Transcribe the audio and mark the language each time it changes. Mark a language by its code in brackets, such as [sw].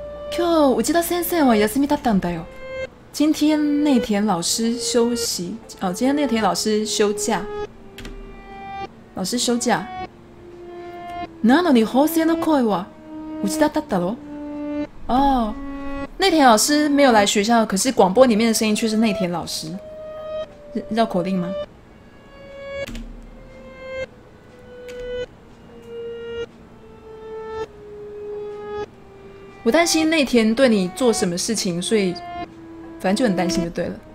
[ja] 今日内田先生は休みだったんだよ。 [zh] 今天内田老师休息哦，今天内田老师休假。老师休假。 [ja] なのに放送の声は内田だったろ？ [zh] 哦，内田老师没有来学校，可是广播里面的声音却是内田老师。绕口令吗？我担心那天对你做什么事情，所以反正就很担心就对了。